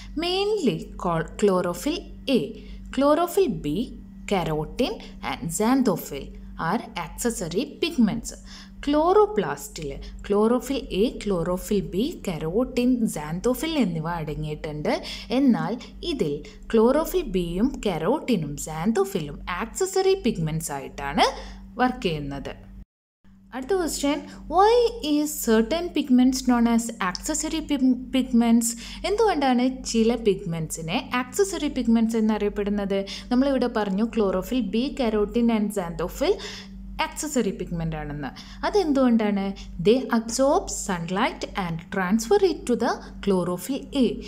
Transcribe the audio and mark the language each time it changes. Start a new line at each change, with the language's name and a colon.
English: Mainly chlorophyll A, chlorophyll B, carotene and xanthophyll are accessory pigments.
Malayalam: ക്ലോറോപ്ലാസ്റ്റിൽ chlorophyll A, chlorophyll B, carotene, xanthophyll എന്നിവ അടങ്ങിയിട്ടുണ്ട്. എന്നാൽ ഇതിൽ chlorophyll ബിയും കരോട്ടിനും സാന്തോഫിലും accessory pigments ആയിട്ടാണ് work ചെയ്യുന്നത്.
Tamil: அடுத்த
English: question, why is certain pigments known as accessory pigments?
Malayalam: എന്തുകൊണ്ടാണ് ചില പിഗ്മെൻസിനെ ആക്സസറി പിഗ്മെൻറ്റ്സ് എന്നറിയപ്പെടുന്നത്? നമ്മളിവിടെ പറഞ്ഞു chlorophyll, B carotene and xanthophyll accessory pigment ആണെന്ന്. അതെന്തുകൊണ്ടാണ്?
English: They absorb sunlight and transfer it to the chlorophyll a.